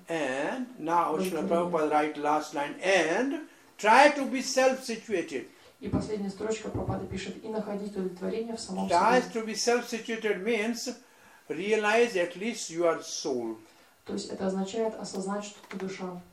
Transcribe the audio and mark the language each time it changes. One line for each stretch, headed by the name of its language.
English: And now Srila Prabhupada write last line and try to be self-situated.
Russian: И последняя строчка Прабхупады пишет и находить удовлетворение в самом себе.
English: Try to be self-situated means realize at least you are soul.
Russian: То есть это означает осознать, что ты душа.